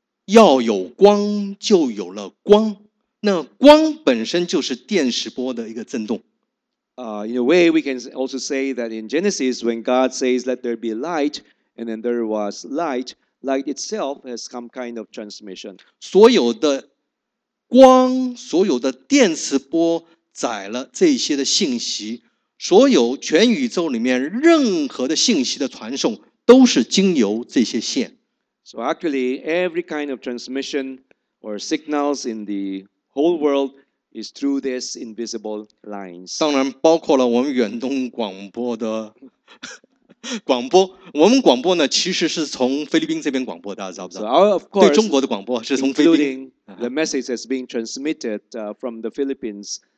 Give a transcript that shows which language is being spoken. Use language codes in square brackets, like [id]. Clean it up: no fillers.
[zh] 包括创世纪神的创造，神说要有光，就有了光。那光本身就是电磁波的一个震动。 [en] In a way, we can also say that in Genesis, when God says, let there be light, and then there was light, light itself has some kind of transmission. [zh] 所有的光，所有的电磁波载了这些的信息， 所有全宇宙里面任何的信息的传送都是经由这些线。 [en] So actually, every kind of transmission or signals in the whole world is through these invisible lines. [zh] 当然包括了我们远东广播的广播。我们广播呢, 其实是从菲律宾这边广播的，知道不知道？ [en] So of course, [zh] 对中国的广播是从菲律宾。 [en] The message is being transmitted from the Philippines.